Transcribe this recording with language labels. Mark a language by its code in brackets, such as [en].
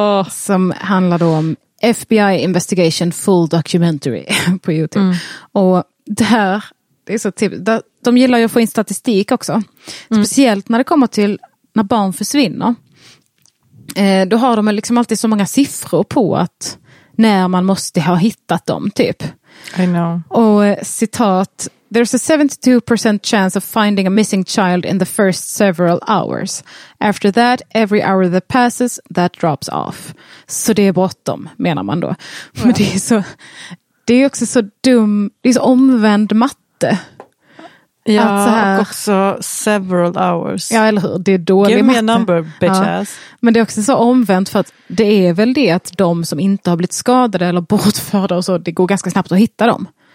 [sv] Som handlar då om FBI Investigation Full Documentary på YouTube. Mm. Och det här, det är så typiskt. De gillar ju att få in statistik också. Speciellt när det kommer till när barn försvinner. Då har de liksom alltid så många siffror på att när man måste ha hittat dem typ. [en] I know. [sv] Och citat, [en] there's a 72% chance of finding a missing child in the first several hours. After that, every hour that passes, that drops off. [sv] Så det är bråttom, menar man då. Yeah. Men det är också så dum, det är så omvänd matte. Ja, så här, och också [en] several hours. [sv] Ja, eller hur? Det är dålig [en] give me [sv] matte. [en] A number, bitch ass. [sv] Men det är också så omvänt, för att det är väl det att de som inte har blivit skadade eller bortförda och så, det går ganska snabbt att hitta dem.